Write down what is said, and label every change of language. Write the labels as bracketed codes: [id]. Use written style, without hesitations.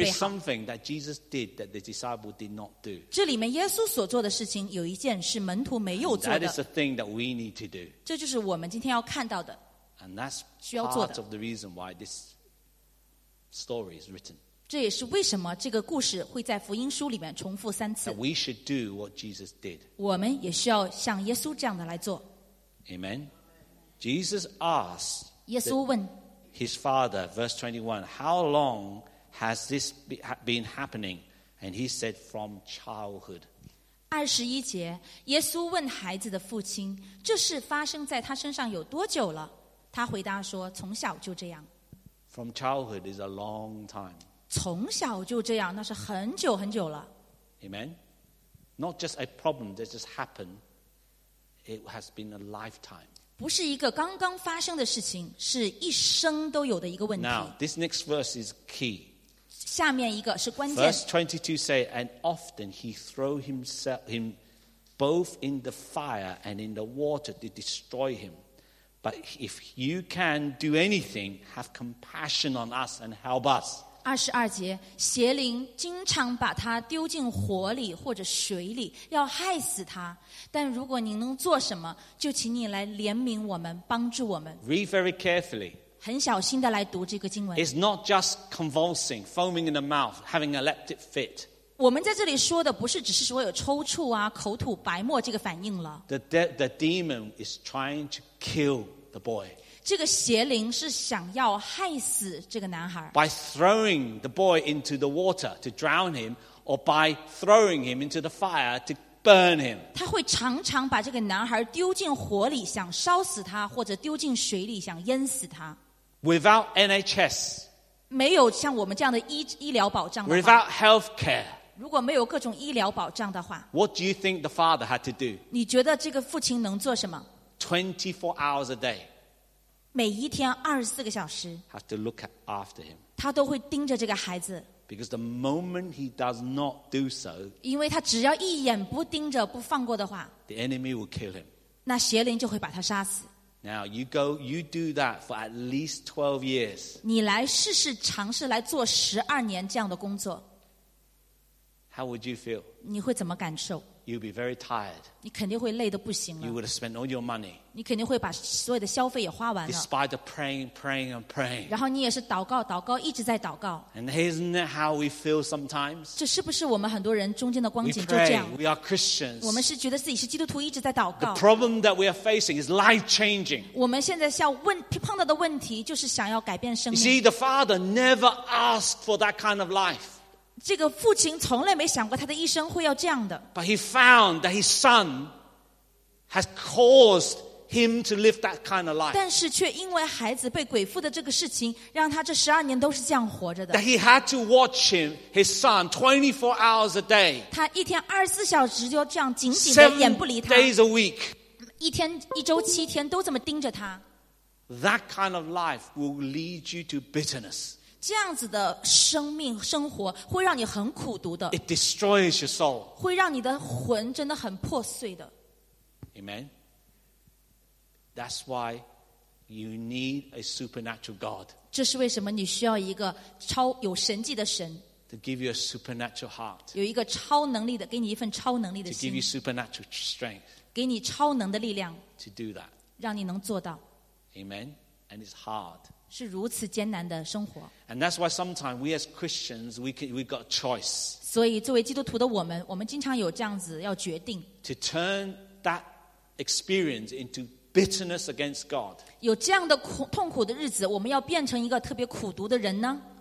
[en] There is something that Jesus did that the disciples did not do. [zh] 这里面耶稣所做的事情有一件是门徒没有做的 [en] That is the thing that we need to do. [zh] 这就是我们今天要看到的 [en] And that's part of the reason why this story is written. [zh] 这也是为什么这个故事会在福音书里面重复三次 [en] That we should do what Jesus did. [zh] 我们也需要像耶稣这样的来做 [en] Amen. Jesus asked [zh] 耶稣问 [en] his father, verse 21, How long has this been happening? And he said, from childhood. [zh] 二十一节，耶稣问孩子的父亲，这事发生在他身上有多久了？他回答说，从小就这样。 [en] From childhood is a long time. [zh] 从小就这样，那是很久很久了。 [en] Amen. Not just a problem that just happened; it has been a lifetime. [zh] 不是一个刚刚发生的事情，是一生都有的一个问题。 [en] Now, this next verse is key. [zh] 下面一个是关键。 [en] Verse 22 say, and often he threw himself him both in the fire and in the water to destroy him. But if you can do anything, have compassion on us and help us. [zh] 二十二节，邪灵经常把他丢进火里或者水里，要害死他。但如果您能做什么，就请你来怜悯我们，帮助我们。 [en] Read very carefully. [zh] 很小心的来读这个经文。 [en] It's not just convulsing, foaming in the mouth, having a leptic fit. [zh] 我们在这里说的不是只是说有抽搐啊、口吐白沫这个反应了。 [en] The demon is trying to kill the boy. [zh] 这个邪灵是想要害死这个男孩。 [en] By throwing the boy into the water to drown him, or by throwing him into the fire to burn him. [zh] 他会常常把这个男孩丢进火里，想烧死他，或者丢进水里，想淹死他。 [en] Without NHS, [zh] 没有像我们这样的医疗保障的话。 [en] Without healthcare, [zh] 如果没有各种医疗保障的话。 [en] What do you think the father had to do? [zh] 你觉得这个父亲能做什么 [en] ？24 hours a day. [zh] 每一天二十四个小时 [en] have to look after him. [zh] 他都会盯着这个孩子 [en] Because the moment he does not do so, [zh] 因为他只要一眼不盯着不放过的话 [en] the enemy will kill him. [zh] 那邪灵就会把他杀死 [en] Now you go, you do that for at least 12 years. [zh] 你来试试尝试来做十二年这样的工作 [en] How would you feel? [zh] 你会怎么感受 [en] You'll be very tired. [zh] 你肯定会累得不行了。 [en] You would have spent all your money. [zh] 你肯定会把所有的消费也花完了。 [en] Despite the praying, praying, and praying. [zh] 然后你也是祷告，祷告，一直在祷告。 [en] And isn't that how we feel sometimes? [zh] 这是不是我们很多人中间的光景 [en] we pray, [zh] 就这样 [en] ？We are Christians. [zh] 我们是觉得自己是基督徒，一直在祷告。 [en] The problem that we are facing is life-changing. [zh] 我们现在想碰到的问题就是想要改变生命。 [en] You see, the father never asked for that kind of life. [zh] 这个父亲从来没想过他的一生会要这样的。 [en] But he found that his son has caused him to live that kind of life. [zh] 但是却因为孩子被鬼附的这个事情，让他这十二年都是这样活着的。 [en] That he had to watch him, his son, 24 hours a day. [zh] 他一天二十四小时就这样紧紧的眼不离他。 [en] Seven days a week. [zh] 一天一周七天都这么盯着他。 [en] That kind of life will lead you to bitterness. [zh] 这样子的生命生活会让你很苦读的。 [en] It destroys your soul. [zh] 会让你的魂真的很破碎的。 [en] Amen. That's why you need a supernatural God. [zh] 这是为什么你需要一个超有神迹的神。 [en] To give you a supernatural heart. [zh] 有一个超能力的，给你一份超能力的心。 [en] To give you supernatural strength. [zh] 给你超能的力量。 [en] To do that. [zh] 让你能做到。 [en] Amen. And it's hard. [zh] 是如此艰难的生活。 [en] And that's why sometimes we as Christians we got choice. [zh] 所以作为基督徒的我们经常有这样子要决定。 [en] To turn that experience into bitterness against God. [zh] 有这样的痛苦的日子，我们要变成一个特别苦读的人呢？